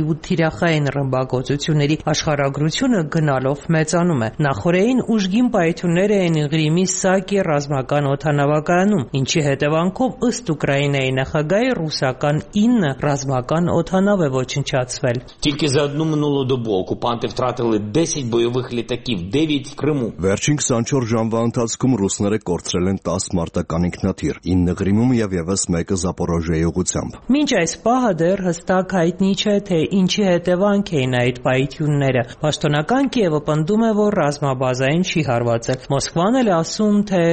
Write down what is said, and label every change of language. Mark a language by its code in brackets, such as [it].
[hy] ու թիրախային ռմբակոծությունների աշխարհագրությունը գնալով մեծանում է։ Նախորդային ուժգին պայթյուններ էին Ղրիմի Սակի ռազմական օդանավակայանում, ինչի հետևանքով ըստ Ուկրաինայի նախագահի ռուսական 9 ռազմական օդանավ է ոչնչացվել։ [uk] Тільки за одну минулу добу окупанти втратили 10 бойових літаків, 9 в Криму։ [hy] Վերջին 24 ժամվա ընթացքում ռուսները կորցրել են 10 մարտական անիքնաթիր, 9 Ղրիմում և ևս 1-ը Զապորոժիայի ուղությամբ։ Մինչ այս պահը դեռ հստակ հայտնի չէ, թե ինչի հետևանք էին այդ պայթյունները։ Պաշտոնական Կիևը պնդում է, որ ռազմաբազային չի հարվածել։ Մոսկվան էլ ասում, թե